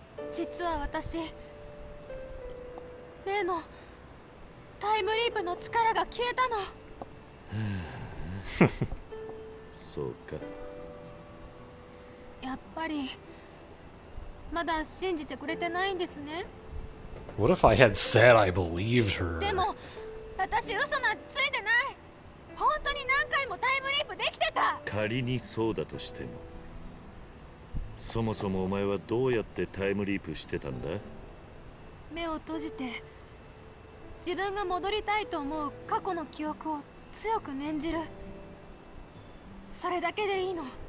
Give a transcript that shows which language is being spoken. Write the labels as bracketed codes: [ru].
[ja] 実は私、例のタイムリープの力が消えたの。そうか。やっぱりまだ信じてくれてないんですね。 [en] What if I had said I believed her? [ja] でも、私嘘なんてついてない。本当に何回もタイムリープできてた。仮にそうだとしても、そもそもお前はどうやってタイムリープしてたんだ？目を閉じて、自分が戻りたいと思う過去の記憶を強く念じる。それだけでいいの。